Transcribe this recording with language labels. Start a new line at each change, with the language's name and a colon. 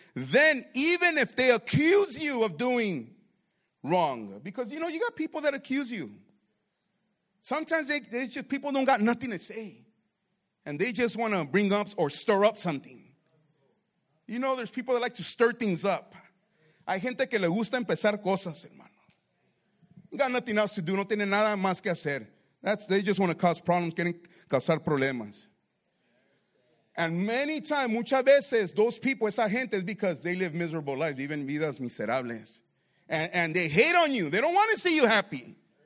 English: Then, even if they accuse you of doing wrong, because you know, you got people that accuse you. Sometimes it's just people don't got nothing to say. And they just want to bring up or stir up something. You know, there's people that like to stir things up.
Spanish: Hay gente que le gusta empezar cosas, hermano.
English: Got nothing else to do.
Spanish: No tiene nada más que hacer.
English: They just want to cause problems.
Spanish: Quieren causar problemas.
English: And many times,
Spanish: muchas veces,
English: those people,
Spanish: esa gente,
English: is because they live miserable lives.
Spanish: Viven vidas miserables.
English: And they hate on you. They don't want to see you happy.